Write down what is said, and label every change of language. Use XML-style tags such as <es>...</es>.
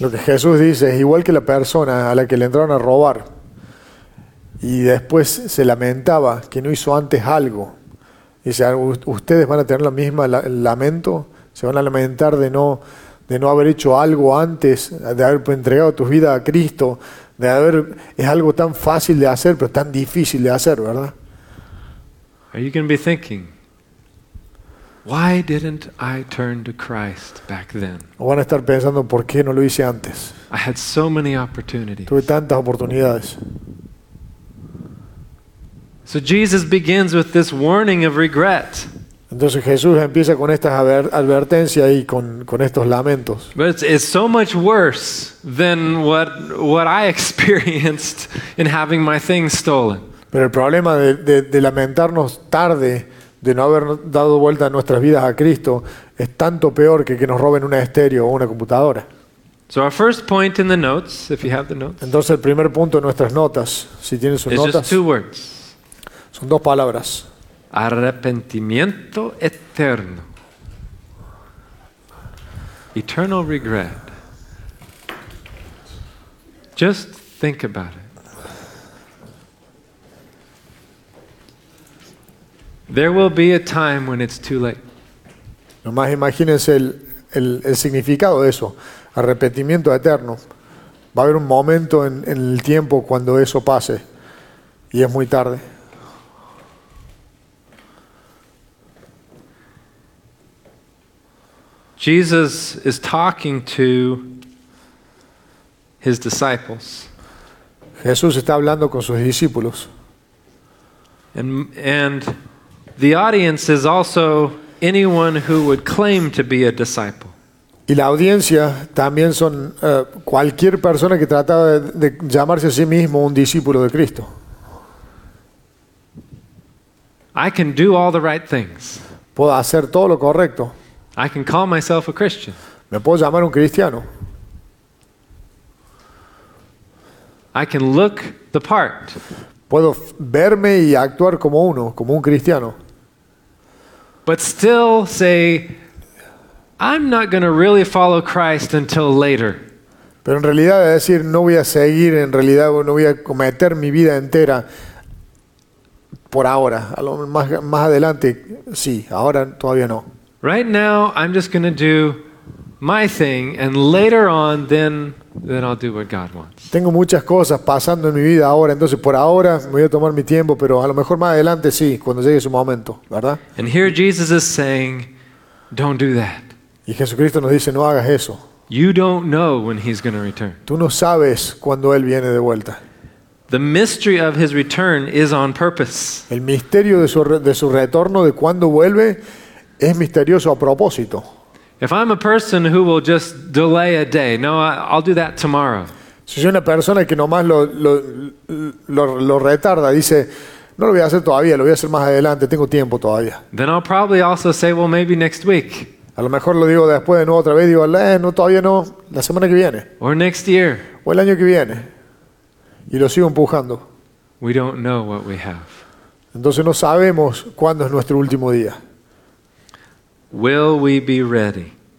<es>Lo que Jesús dice es igual que la persona a la que le entraron a robar y después se lamentaba que no hizo antes algo. Dice, ustedes van a tener la misma lamento, se van a lamentar de no haber hecho algo antes, de haber entregado tu vida a Cristo, de haber, es algo tan fácil de hacer, pero tan difícil de hacer, ¿verdad?</es> <en>Are you going to be thinking, why didn't I turn to Christ back then?</en> <es>O van a estar pensando, ¿por qué no lo hice antes?</es> <en>I had so many opportunities.</en> <es>Tuve tantas oportunidades.</es> <en>So Jesus begins with this warning of regret.</en> <es>Entonces Jesús empieza con estas advertencias y con estos lamentos.</es> <en>But it's so much worse than what I experienced in having my things stolen.</en> <es>Pero el problema de lamentarnos tarde, de no haber dado vuelta a nuestras vidas a Cristo, es tanto peor que nos roben una estéreo o una computadora.</es> <en>So our first point in the notes, if you have the notes.</en> <es>Entonces el primer punto en nuestras notas, si tienen sus notas.</es> <en>Just two words.</en> <es>Son dos palabras. Arrepentimiento eterno.</es> <en>Eternal regret. Just think about it. There will be a time when it's too late.</en> <es>Nomás imagínense el significado de eso. Arrepentimiento eterno. Va a haber un momento en el tiempo cuando eso pase. Y es muy tarde.</es> <en>Jesus is talking to his disciples.</en> <es>Jesús está hablando con sus discípulos.</es> <en>And the audience is also anyone who would claim to be a disciple.</en> <es>Y la audiencia también son cualquier persona que trataba de llamarse a sí mismo un discípulo de Cristo.</es> <en>I can do all the right things.</en> <es>Puedo hacer todo lo correcto.</es> <en>I can call myself a Christian.</en> <es>Me puedo llamar un cristiano.</es> <en>I can look the part.</en> <es>Puedo verme y actuar como uno, como un cristiano.</es> <en>But still say, I'm not going to really follow Christ until later.</en> <es>Pero en realidad es decir, no voy a seguir, en realidad no voy a cometer mi vida entera por ahora. Más adelante, sí, ahora todavía no.</es> <en>Right now, I'm just going to do my thing, and later on, then I'll do what God wants.</en> <es>Tengo muchas cosas pasando en mi vida ahora, entonces por ahora me voy a tomar mi tiempo, pero a lo mejor más adelante sí, cuando llegue su momento, ¿verdad?</es> <en>And here Jesus is saying, "Don't do that."</en> <es>Y Jesucristo nos dice, no hagas eso.</es> <en>You don't know when He's going to return.</en> <es>Tú no sabes cuándo Él viene de vuelta.</es> <en>The mystery of His return is on purpose.</en> <es>El misterio de su retorno, de cuándo vuelve. Es misterioso a propósito.</es> <en>If I'm a person who will just delay a day, no, I'll do that tomorrow.</en> <es>Si soy una persona que nomás lo retarda, dice, no lo voy a hacer todavía, lo voy a hacer más adelante, tengo tiempo todavía.</es> <en>Then I'll probably also say, well, maybe next week.</en> <es>A lo mejor lo digo después de nuevo otra vez, digo, no, todavía no, la semana que viene.</es> <en>Or next year.</en> <es>O el año que viene. Y lo sigo empujando.</es> <en>We don't know what we have.</en> <es>Entonces no sabemos cuándo es nuestro último día.</es> <en>Will we be ready?</en>